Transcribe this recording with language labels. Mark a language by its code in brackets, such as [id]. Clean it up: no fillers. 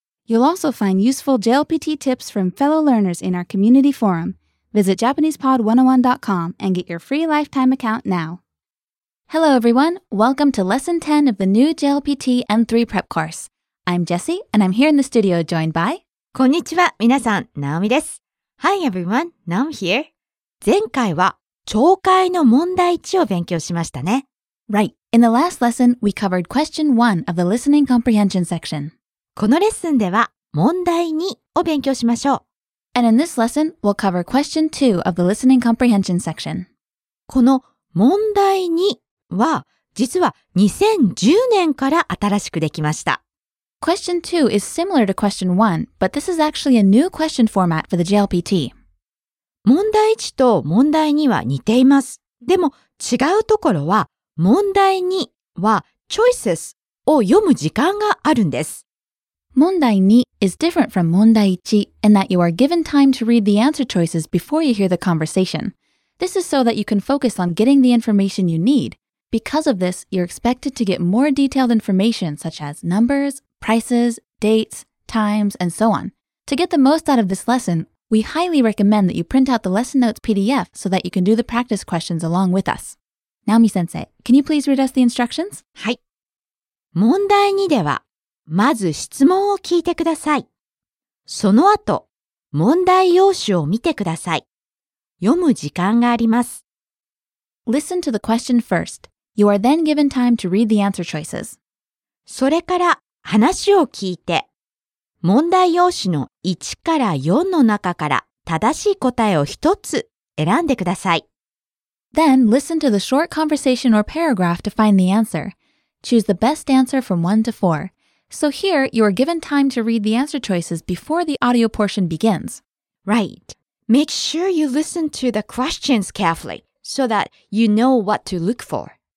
[en] You'll also find useful JLPT tips from fellow learners in our community forum. Visit JapanesePod101.com and get your free lifetime account now. Hello, everyone. Welcome to Lesson 10 of the new JLPT M3 Prep Course. I'm Jessie, and I'm here in the studio joined by... [ja] こんにちは、みなさん、ナオミです。 [en] Hi everyone, Naomi here. [ja] 前回は、聴解の問題1を勉強しましたね。 [en] Right. In the last lesson, we covered question 1 of the listening comprehension section. [ja] このレッスンでは、問題2を勉強しましょう。 [en] And in this lesson, we'll cover question 2 of the listening comprehension section. [ja] この問題2は、実は2010年から新しくできました。 [en] Question 2 is similar to question 1, but this is actually a new question format for the JLPT. [ja] 問題1と問題2は似ています。でも違うところは、問題2は choices を読む時間があるんです。 [en] 問題2 is different from 問題1 in that you are given time to read the answer choices before you hear the conversation. This is so that you can focus on getting the information you need. Because of this, you're expected to get more detailed information such as numbers,prices, dates, times, and so on. To get the most out of this lesson, we highly recommend that you print out the lesson notes PDF so that you can do the practice questions along with us. Naomi-sensei, can you please read us the instructions? [ja] はい。問題2では、まず質問を聞いてください。その後、問題用紙を見てください。読む時間があります。 [en] Listen to the question first. You are then given time to read the answer choices. [ja] それから、話を聞いて、問題用紙の1から4の中から正しい答えを1つ選んでください。 [en] Then listen to the short conversation or paragraph to find the answer. Choose the best answer from 1 to 4. So here, you are given time to read the answer choices before the audio portion begins. Right. Make sure you listen to the questions carefully so that you know what to look for.